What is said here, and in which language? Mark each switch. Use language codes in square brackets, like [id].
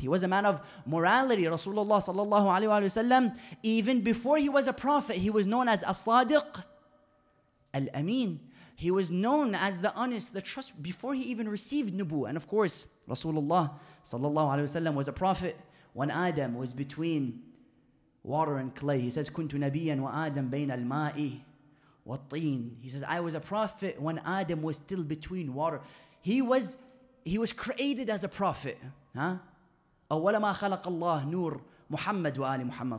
[en] He was a man of morality. Rasulullah sallallahu alayhi wa sallam, even before he was a prophet, he was known as as-sadiq al-ameen. He was known as the honest, the trust, before he even received nubu. And of course, Rasulullah sallallahu alayhi wa sallam was a prophet when Adam was between water and clay. He says, [ar] كنت نبيا وآدم بين الماء والطين. [en] He says, I was a prophet when Adam was still between water. He was created as a prophet. [ar] أول ما خلق الله نور محمد وآل محمد.